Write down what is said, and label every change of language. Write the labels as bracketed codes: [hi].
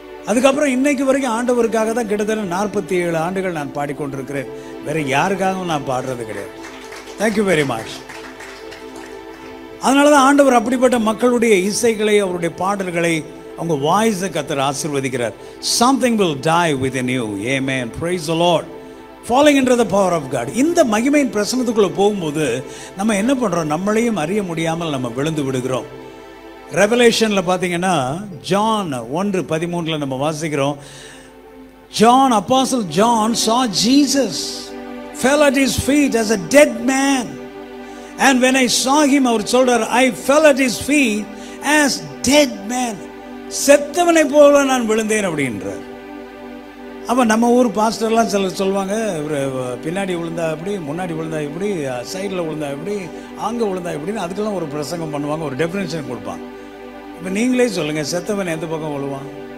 [ta] அதுக்கப்புறம் இன்னைக்கு வரைக்கும் ஆண்டவருக்காக தான் கிட்டத்தட்ட 47 ஆண்டுகள் நான் பாடிக்கொண்டிருக்கிறேன், வேற யாருக்காகவும் நான் பாடுறது கிடையாது. [en] Thank you very much. [ta] அதனால தான் ஆண்டவர் அப்படிப்பட்ட மக்களுடைய இசைகளை, அவருடைய பாடல்களை, அவங்க வாய்ஸை கர்த்தர் ஆசீர்வதிக்கிறார். [en] Something will die within you. Amen. Praise the Lord. Falling into the power of God. [ta] இந்த மகிமையின் பிரசன்னத்துக்குள்ள போகும்போது நம்ம என்ன பண்றோம், நம்மளையும் அறிய முடியாமல் நம்ம விழுந்து விடுகிறோம். ரெவலேஷன்ல பாத்தீங்கன்னா, John 1:13 நம்ம வாசிக்கிறோம். [en] John, apostle John, saw Jesus. Fell at his feet as a dead man. And when I saw him, [ta] அவர் சொல்றார், [en] I fell at his feet as dead man. [ta] செத்தவனை போல நான் விழுந்தேன் அப்படின்றார். அப்போ நம்ம ஊர் பாஸ்டர்லாம் சிலர் சொல்லுவாங்க, இவர் பின்னாடி விழுந்தா எப்படி, முன்னாடி விழுந்தா எப்படி, சைடில் விழுந்தா எப்படி, அங்கே விழுந்தா எப்படின்னு அதுக்கெல்லாம் ஒரு பிரசங்கம் பண்ணுவாங்க, ஒரு டெஃபினேஷன் கொடுப்பாங்க. இப்போ நீங்களே சொல்லுங்கள், செத்தவன் எந்த பக்கம் விழுவான்?